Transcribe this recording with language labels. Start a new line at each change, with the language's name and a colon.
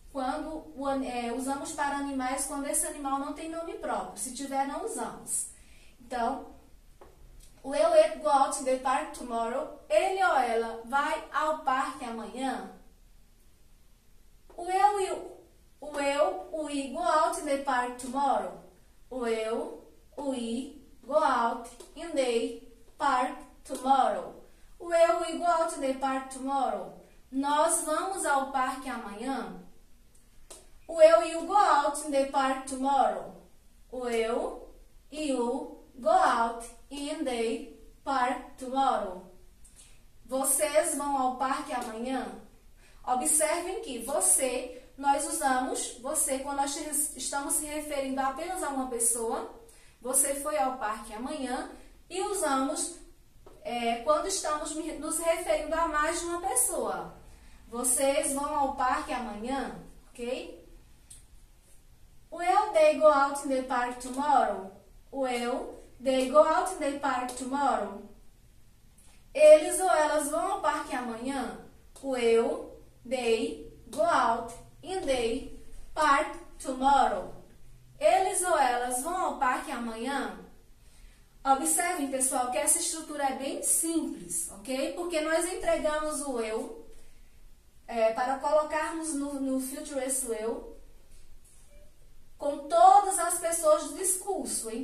Portuguese: Quando usamos para animais quando esse animal não tem nome próprio. Se tiver, não usamos.
English: Então, will it go out in the park tomorrow?
Portuguese: Ele ou ela vai ao parque amanhã?
English: Will we go out in the park tomorrow? Will we go out in the park tomorrow? Will we go out in the park tomorrow?
Portuguese: Nós vamos ao parque amanhã?
English: Will you go out in the park tomorrow? Will you go out in the park tomorrow?
Portuguese: Vocês vão ao parque amanhã? Observem que você. Nós usamos você quando nós estamos se referindo apenas a uma pessoa. Você foi ao parque amanhã. E usamos quando estamos nos referindo a mais de uma pessoa. Vocês vão ao parque amanhã, ok?
English: Will they go out in the park tomorrow? Will they go out in the park tomorrow?
Portuguese: Eles ou elas vão ao parque amanhã?
English: Will they go out in the park tomorrow.
Portuguese: Eles ou elas vão ao parque amanhã? Observem, pessoal, que essa estrutura é bem simples, ok? Porque nós entregamos o eu para colocarmos no Futurist Will com todas as pessoas do discurso.